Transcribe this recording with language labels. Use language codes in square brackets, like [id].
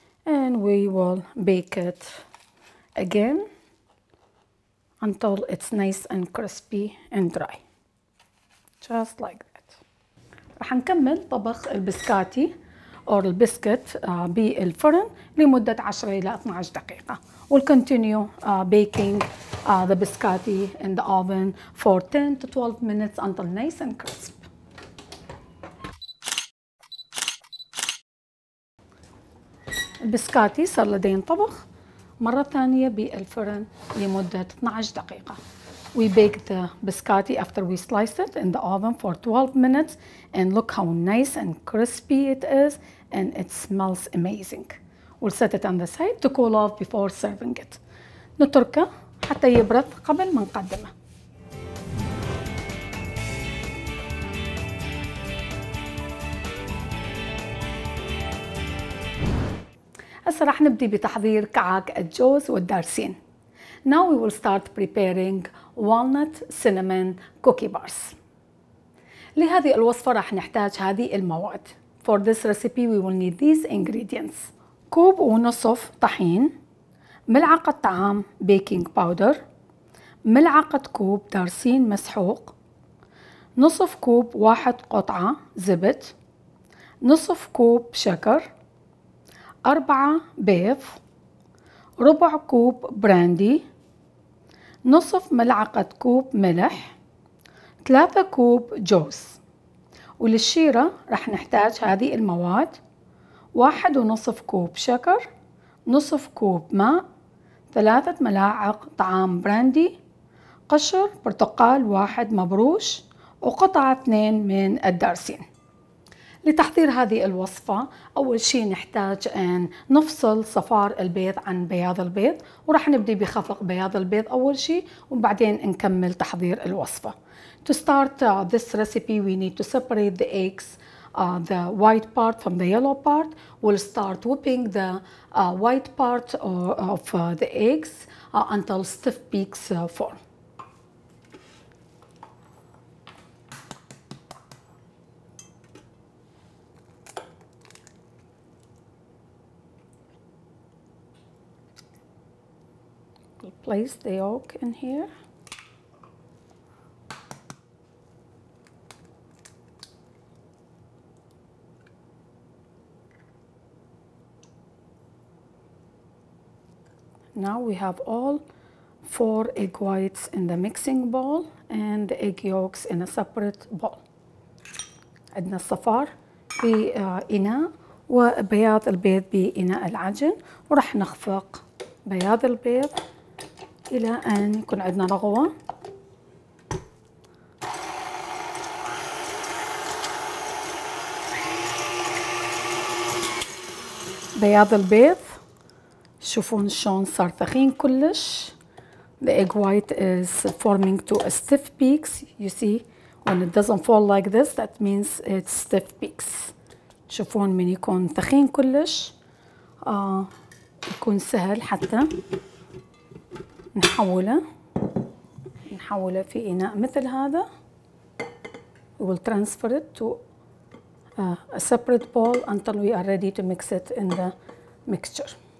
[en] And we will bake it again. Until it's nice and crispy and dry. Just like that. [ar] رح نكمل طبخ البسكاتي أو البسكت بالفرن لمدة 10 إلى 12 دقيقة. [en] We'll continue baking the biscotti in the oven for 10 to 12 minutes until nice and crisp. [ar] البسكاتي صار لدين طبخ مرة ثانية بالفرن لمدة 12 دقيقة. [en] We bake the biscotti after we slice it in the oven for 12 minutes and look how nice and crispy it is and it smells amazing. We'll set it on the side to cool off before serving it. [ar] نتركه حتى يبرد قبل ما نقدمه. هسه راح نبدي بتحضير كعك الجوز والدارسين. [en] Now we will start preparing walnut cinnamon cookie bars. [ar] لهذه الوصفة راح نحتاج هذه المواد. [en] For this recipe we will need these ingredients. [ar] كوب ونصف طحين، ملعقة طعام baking powder، ملعقة كوب دارسين مسحوق، نصف كوب واحد قطعة زبد، نصف كوب شكر، 4 بيض، ربع كوب براندي، نصف ملعقة كوب ملح، 3 كوب جوز. وللشيرة رح نحتاج هذه المواد: 1.5 كوب شكر، نصف كوب ماء، 3 ملاعق طعام براندي، قشر برتقال 1 مبروش، وقطعة 2 من الدارسين. لتحضير هذه الوصفة أول شيء نحتاج أن نفصل صفار البيض عن بياض البيض، ورح نبدي بخفق بياض البيض أول شيء وبعدين نكمل تحضير الوصفة. [en] To start this recipe we need to separate the eggs, the white part from the yellow part. We'll start whipping the white part of the eggs until stiff peaks form. Place the yolk in here. Now we have all four egg whites in the mixing bowl and the egg yolks in a separate bowl. [ar] عندنا الصفار في إناء وبياض البيض بإناء العجن، ورح نخفق بياض البيض إلى أن يكون عندنا رغوة. بياض البيض شوفون شلون صار ثخين كلش. [en] The egg white is forming to a stiff peaks. You see when it doesn't fall like this that means it's stiff peaks. [ar] شوفون من يكون ثخين كلش يكون سهل حتى نحوله في إناء مثل هذا. [en] We will transfer it to a separate bowl until we are ready to mix it in the mixture.